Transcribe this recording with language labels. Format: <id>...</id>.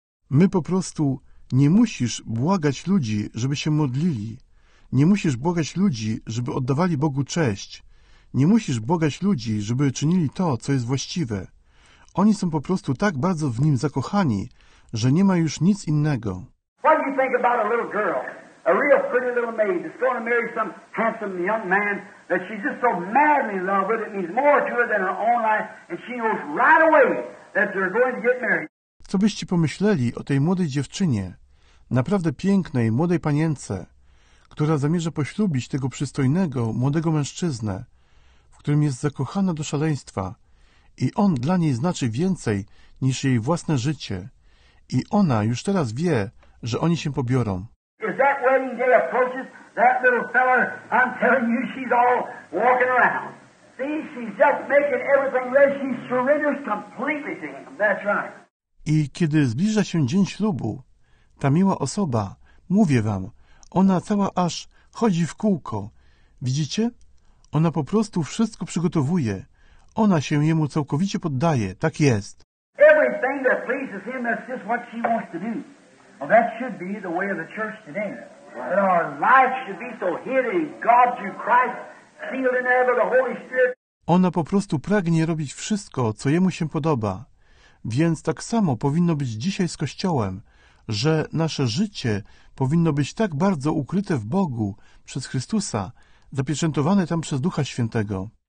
<pl>My po prostu nie musisz błagać ludzi, żeby się modlili. Nie musisz błagać ludzi, żeby oddawali Bogu cześć. Nie musisz błagać ludzi, żeby czynili to, co jest właściwe. Oni są po prostu tak bardzo w nim zakochani, że nie ma już nic innego.</pl> <en>What do you think about a little girl, a real pretty little maid, that's going to marry some handsome young man, that she's just so madly in love with, it means more to her than her own life, and she knows right away that they're going to get married.</en> <pl>Co byście pomyśleli o tej młodej dziewczynie, naprawdę pięknej, młodej panience, która zamierza poślubić tego przystojnego, młodego mężczyznę, w którym jest zakochana do szaleństwa i on dla niej znaczy więcej niż jej własne życie i ona już teraz wie, że oni się pobiorą.</pl> <en>Is that that wedding day approaches, that little fella, I'm telling you, she's all walking around. See, she's just making everything ready. She surrenders completely to him. That's right.</en> <pl>I kiedy zbliża się dzień ślubu, ta miła osoba, mówię wam, ona cała aż chodzi w kółko. Widzicie? Ona po prostu wszystko przygotowuje. Ona się jemu całkowicie poddaje. Tak jest.</pl> <en>Everything that pleases him, that's just what she wants to do. Well, that should be the way of the church today. That our life should be so hidden in God through Christ, sealed in ever the Holy Spirit.</en> <pl>Ona po prostu pragnie robić wszystko, co jemu się podoba. Więc tak samo powinno być dzisiaj z Kościołem, że nasze życie powinno być tak bardzo ukryte w Bogu przez Chrystusa, zapieczętowane tam przez Ducha Świętego.</pl>